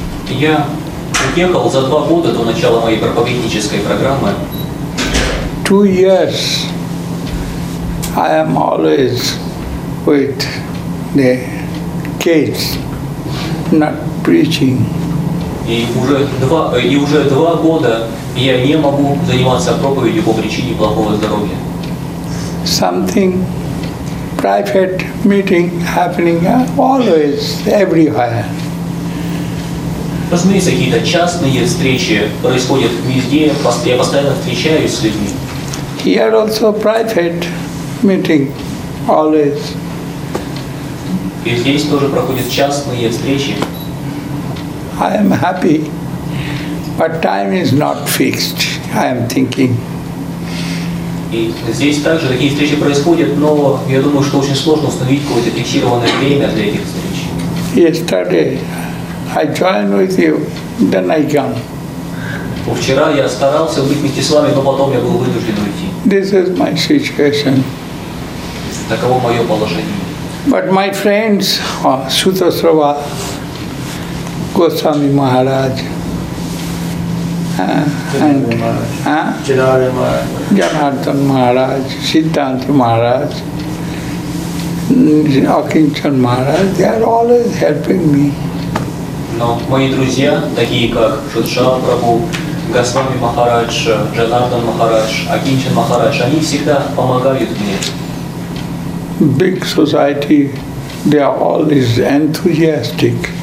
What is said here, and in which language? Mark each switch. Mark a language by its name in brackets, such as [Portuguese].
[Russian] Я уехал за 2 года до начала моей проповеднической программы. [English] 2 years I am always with the kids, not preaching. [Russian] И уже два года я не могу заниматься проповедью по причине плохого здоровья. [English] Something private meeting happening always, everywhere. [Russian] Разумеется, какие-то частные встречи происходят везде, я постоянно встречаюсь с людьми. [English] Here also private meeting, always. [Russian] И здесь тоже проходят частные встречи. [English] I am happy, but time is not fixed, I am thinking. [Russian] И здесь также такие встречи происходят, но я думаю, что очень сложно установить какое-то фиксированное время для этих встреч. [English] Yesterday I joined with you, then I came. [Russian] Вчера я старался быть вместе с вами, но потом я был вынужден уйти. [English] This is my situation. [Russian] Таково мое положение. [English] But my friends, Sutta Srava, Goswami Maharaj, Janardhan Maharaj, Siddhanta Maharaj, Akinchan Maharaj, they are always helping me. [Russian] Но мои друзья, такие как Шудша Прабху, Госвами Махарадж, Джанардан Махарадж, Акинчан Махарадж, они всегда помогают мне. [English] Big society, they are always enthusiastic.